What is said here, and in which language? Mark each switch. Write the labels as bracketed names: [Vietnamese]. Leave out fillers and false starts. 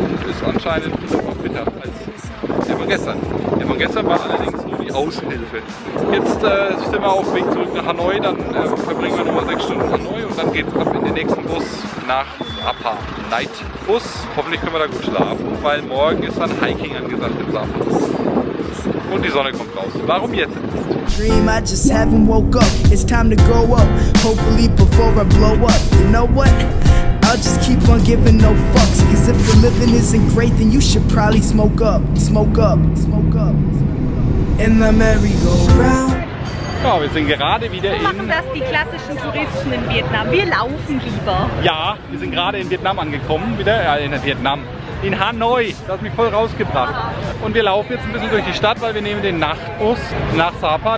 [German] Ist anscheinend noch fitter als immer gestern. Immer gestern war allerdings Aushilfe. Jetzt sind wir auf dem Weg zurück nach Hanoi, dann verbringen wir nochmal 6 Stunden in Hanoi und dann geht's ab in den nächsten Bus nach Apa Night Bus. Hoffentlich können wir da gut schlafen, weil morgen ist dann Hiking angesagt im Sapa. Und die Sonne kommt raus. Warum jetzt? [English] Dream, I just haven't woke up. It's time to grow up. Hopefully before I blow up. You know what? I'll just keep on giving no fucks. Cause if the living isn't great, then you should probably smoke up. Smoke up. Smoke up. In the merry-go-round. [German] Ja, wir sind gerade wieder in... Machen das die klassischen Touristen in Vietnam. Wir laufen lieber. Ja, wir sind gerade in Vietnam angekommen. In Hanoi. Das hat mich voll rausgebracht. Und wir laufen jetzt ein bisschen durch die Stadt, weil wir nehmen den Nachtbus nach Sapa.